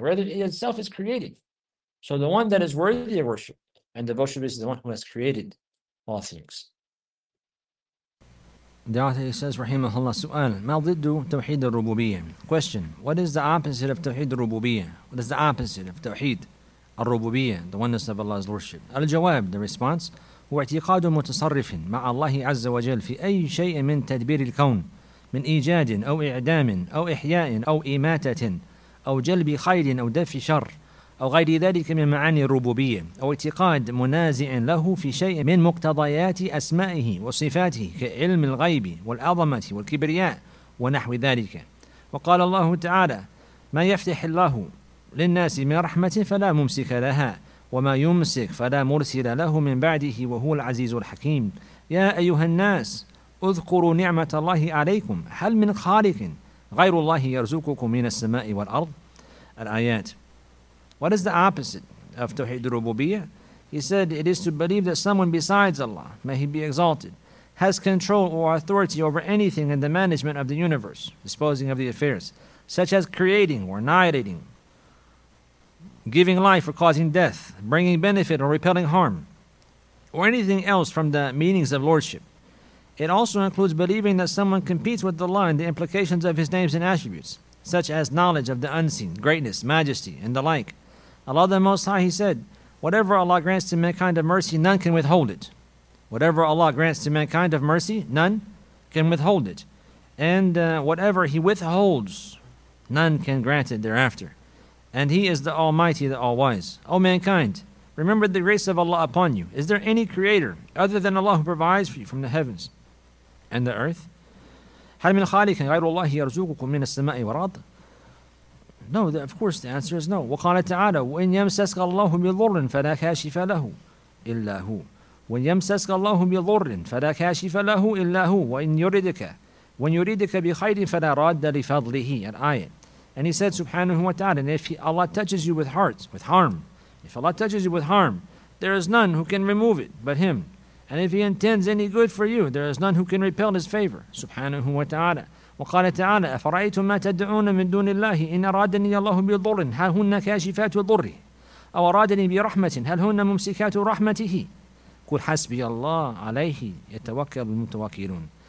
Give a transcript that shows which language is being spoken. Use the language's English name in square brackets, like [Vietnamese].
[English] Rather, it itself is created. So the one that is worthy of worship and devotion is the one who has created all things. The author says, [Arabic] Rahimahullah, su'al, maldiddu tawheed al-rububiyyah. [English] Question, what is the opposite of tawheed al-rububiyyah? What is the opposite of tawheed al-rububiyyah, the oneness of Allah's lordship? [Arabic] Al-jawab, [English] the response, [Arabic] واعتقاد متصرف مع الله عز وجل في أي شيء من تدبير الكون من إيجاد أو إعدام أو إحياء أو إماتة أو جلب خير أو دفع شر أو غير ذلك من معاني الربوبية أو اعتقاد منازع له في شيء من مقتضيات أسمائه وصفاته كعلم الغيب والعظمة والكبرياء ونحو ذلك. وقال الله تعالى: ما يفتح الله للناس من رحمة فلا ممسك لها وما يمسك فلا مرسل له من بعده وهو العزيز الحكيم. يا أيها الناس اذكروا نعمة الله عليكم، هل من خالق غير الله يرزقكم من السماء والأرض؟ الآيات. [English] What is the opposite of Tawheed al-Rububiyyah? He said it is to believe that someone besides Allah, may he be exalted, has control or authority over anything in the management of the universe, disposing of the affairs, such as creating or annihilating, giving life or causing death, bringing benefit or repelling harm, or anything else from the meanings of lordship. It also includes believing that someone competes with Allah in the implications of his names and attributes, such as knowledge of the unseen, greatness, majesty, and the like. Allah the Most High, he said, whatever Allah grants to mankind of mercy, none can withhold it. Whatever Allah grants to mankind of mercy, none can withhold it. And whatever he withholds, none can grant it thereafter. And he is the Almighty, the All-Wise. O mankind, remember the grace of Allah upon you. Is there any creator other than Allah who provides for you from the heavens and the earth? [Arabic] هل من خالق غير الله يرزقكم من السماء والأرض؟ [English] No, of course, the answer is no. [Arabic] وَقَالَ تَعَالَى وَإِنْ يَمْسَسْكَ اللَّهُ بِضُرٍ فَلَا كَاشِفَ لَهُ إِلَّا هُوَ وَإِنْ يَمْسَسْكَ اللَّهُ بِضُرٍ فَلَا كَاشِفَ لَهُ إِلَّا هُوَ وَإِنْ يُرِدِكَ بِخَيْرٍ فَلَا رَادَّ لِفَضْلِهِ الآيَةِ. [English] And he said, subhanahu wa ta'ala, and if Allah touches you with heart, with harm, if Allah touches you with harm, there is none who can remove it but him. And if he intends any good for you, there is none who can repel his favor, subhanahu wa ta'ala. [Arabic] وقال تعالى أفرأيتم ما تدعون من دون الله إن أرادني الله بضر هل هن كاشفات ضره أو أرادني برحمة هل هن ممسكات رحمته قل حسبي الله عليه يتوكل المتوكلون.